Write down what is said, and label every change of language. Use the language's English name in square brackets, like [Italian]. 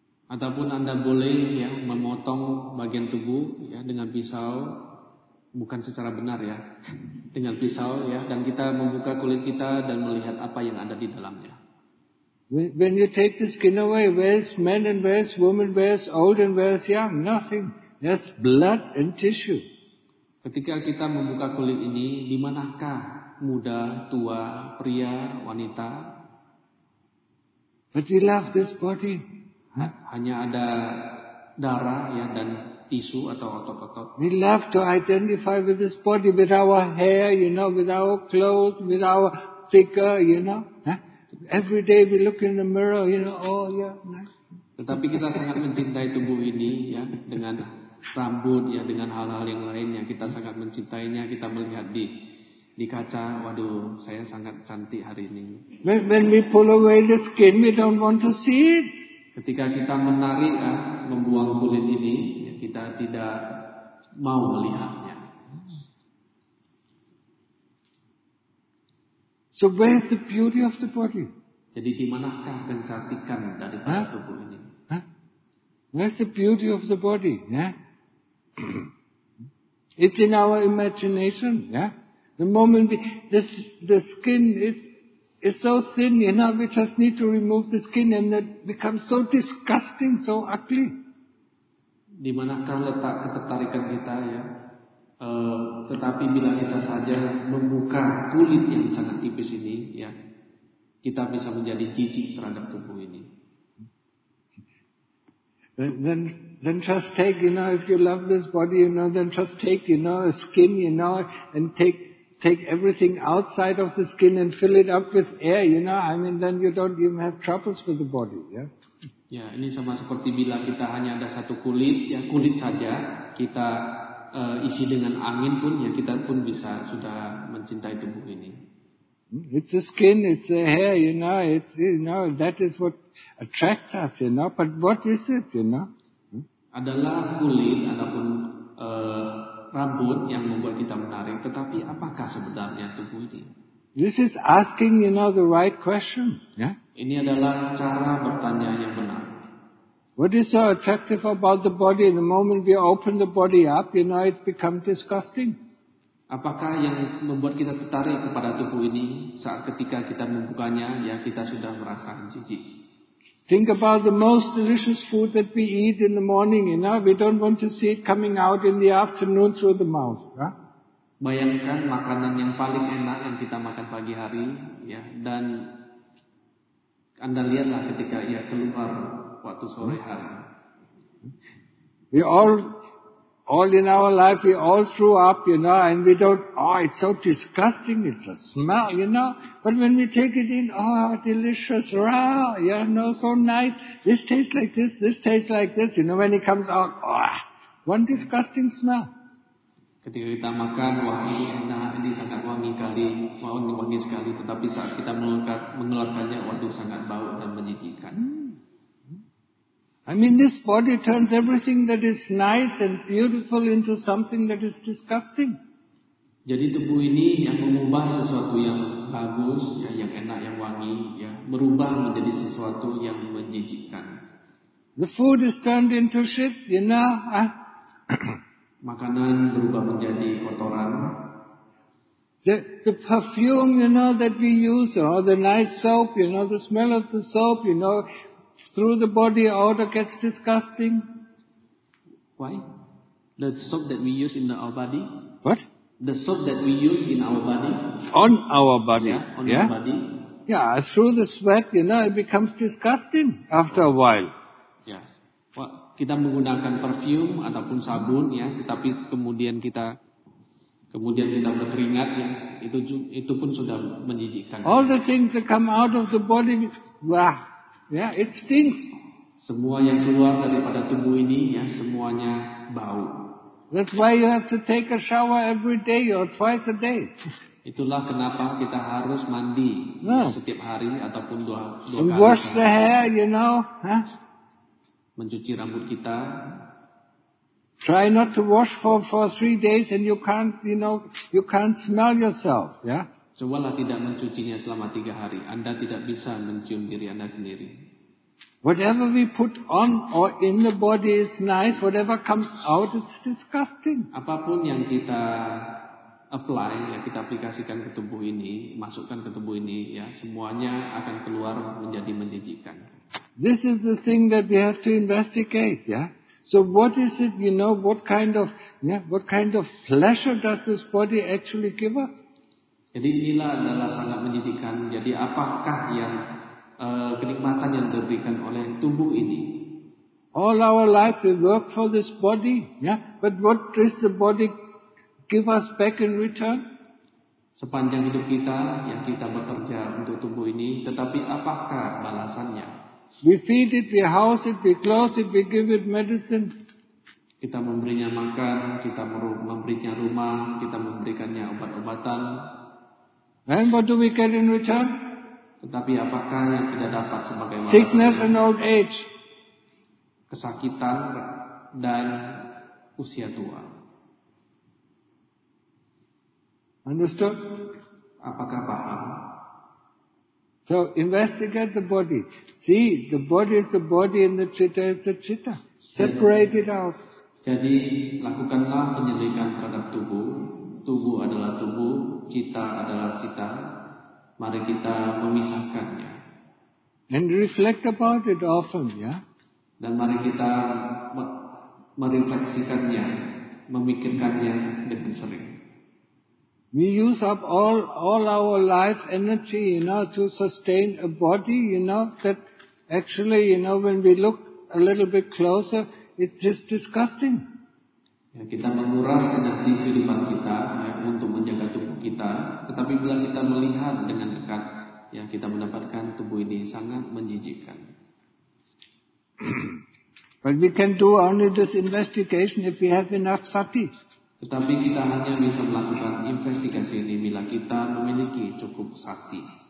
[Indonesian] Ataupun Anda boleh, ya, memotong bagian tubuh, ya, dengan pisau, bukan secara benar, ya, dengan pisau, ya, dan kita membuka kulit kita dan melihat apa yang ada di dalamnya. [English] When you take the skin away, where's man and where's woman, where's old and where's young? Nothing. Yes, blood and tissue. [Indonesian] Ketika kita membuka kulit ini, di manakah muda, tua, pria, wanita? [English] But we love this body. [Indonesian] Hanya ada darah, ya, dan tisu atau otot-otot. [English] We love to identify with this body, with our hair, you know, with our clothes, with our figure, you know. Huh? Every day we look in the mirror, you know. Oh, yeah, nice. [Indonesian] Tetapi kita sangat mencintai tubuh ini, ya, dengan rambut, ya, dengan hal-hal yang lainnya. Kita sangat mencintainya. Kita melihat di kaca, waduh, saya sangat cantik hari ini. [English] When we pull away the skin, we don't want to see it. [Indonesian] Ketika kita menarik, ya, membuang kulit ini, ya, kita tidak mau melihatnya. [English] So where is the beauty of the body? [Indonesian] Jadi di manakah kecantikan dari tubuh ini? Huh? [English] Where is the beauty of the body? Yeah? It's in our imagination, yeah. The moment the skin is so thin, you know, we just need to remove the skin, and it becomes so disgusting, so ugly. [Indonesian] Di manakah letak ketertarikan kita, ya? Tetapi bila kita saja membuka kulit yang sangat tipis ini, ya, kita bisa menjadi jijik terhadap tubuh ini. [English] Then just take, you know, if you love this body, you know, then just take, you know, a skin, you know, and take everything outside of the skin and fill it up with air, you know. I mean, then you don't even have troubles with the body, yeah. [Indonesian] Ya, ini sama seperti bila kita hanya ada satu kulit, ya, kulit saja kita isi dengan angin pun, ya, kita pun bisa sudah mencintai tubuh ini. [English] It's a skin, it's a hair, you know. It's, you know, that is what attracts us, you know. But what is it, you know? [Indonesian] Adalah kulit ataupun rambut yang membuat kita menarik. Tetapi apakah sebenarnya tubuh ini? [English] This is asking, you know, the right question. Yeah? [Indonesian] Ini adalah cara bertanya yang benar. [English] What is so attractive about the body? The moment we open the body up, you know, it becomes disgusting. [Indonesian] Apakah yang membuat kita tertarik kepada tubuh ini saat ketika kita membukanya, ya, kita sudah merasakan jijik? [English] Think about the most delicious food that we eat in the morning, you know. We don't want to see it coming out in the afternoon through the mouth. Huh? [Indonesian] Bayangkan makanan yang paling enak yang kita makan pagi hari, ya, dan Anda lihatlah ketika ia keluar waktu sore hari. [English] We all in our life, we all threw up, you know, and we don't, oh, it's so disgusting, it's a smell, you know. But when we take it in, oh, delicious, raw, you know, so nice. This tastes like this, you know, when it comes out, oh, one disgusting smell. [Indonesian] Ketika kita makan, wah, ini enak, ini sangat wangi sekali, wangi sekali. Tetapi saat kita mengeluarkannya, waduh, sangat bau dan menjijikkan. [English] I mean, this body turns everything that is nice and beautiful into something that is disgusting. [Indonesian] Jadi tubuh ini yang mengubah sesuatu yang bagus, ya, yang enak, yang wangi, ya, merubah menjadi sesuatu yang menjijikkan. [English] The food is turned into shit, you know. [Indonesian] Makanan berubah menjadi kotoran. [English] The perfume, you know, that we use, or the nice soap, you know, the smell of the soap, you know, through the body odor gets disgusting. Why? The soap that we use in our body. What? The soap that we use in our body. On our body. Yeah, on our body. Yeah, through the sweat, you know, it becomes disgusting after a while. Yes. Well, [Indonesian] kita menggunakan perfume ataupun sabun, ya, tetapi kemudian kita berkeringat, ya, itu pun sudah menjijikkan. [English] All the things that come out of the body, wah, yeah, it stinks. [Indonesian] Semua yang keluar daripada tubuh ini, ya, semuanya bau. [English] That's why you have to take a shower every day or twice a day. [Indonesian] Itulah kenapa kita harus mandi setiap hari ataupun dua kali. [English] And wash the hair, you know, [Indonesian] Mencuci rambut kita. [English] Try not to wash for 3 days and you can't, you know, you can't smell yourself, yeah? [Indonesian] Cobalah tidak mencucinya selama 3 hari. Anda tidak bisa mencium diri Anda sendiri. [English] Whatever we put on or in the body is nice. Whatever comes out, it's disgusting. [Indonesian] Apapun yang kita apply, ya, kita aplikasikan ke tubuh ini, masukkan ke tubuh ini, ya, semuanya akan keluar menjadi menjijikkan. [English] This is the thing that we have to investigate, yeah. So what is it, you know, what kind of pleasure does this body actually give us? [Indonesian] Jadi inilah adalah sangat menjijikkan. Jadi apakah yang kenikmatan yang diberikan oleh tubuh ini? [English] All our life we work for this body, yeah. But what is the body give us back in return? [Indonesian] Sepanjang hidup kita, yang kita bekerja untuk tubuh ini, tetapi apakah balasannya? [English] We feed it, we house it, we clothe it, we give it medicine. [Indonesian] Kita memberinya makan, kita memberinya rumah, kita memberikannya obat-obatan. [English] And what do we get in return? [Indonesian] Tetapi apakah yang kita dapat sebagai balasan? [English] Sickness and old age. [Indonesian] Kesakitan dan usia tua. [English] Understood? [Indonesian] Apakah paham? [English] So investigate the body. See, the body is the body and the citta is the citta. Separate it out. [Indonesian] Jadi lakukanlah penyelidikan terhadap tubuh. Tubuh adalah tubuh, citta adalah citta. Mari kita memisahkannya. [English] And reflect about it often, yeah? [Indonesian] Dan mari kita merefleksikannya, memikirkannya dengan sering. [English] We use up all our life energy, you know, to sustain a body, you know, that actually, you know, when we look a little bit closer, it's just disgusting. [Indonesian] Ya, kita menguras energi kehidupan kita, ya, untuk menjaga tubuh kita, tetapi bila kita melihat dengan dekat, ya, kita mendapatkan tubuh ini sangat menjijikkan. [English] But we can do only this investigation if we have enough sati. [Indonesian] Tetapi kita hanya bisa melakukan investigasi ini bila kita memiliki cukup sakti.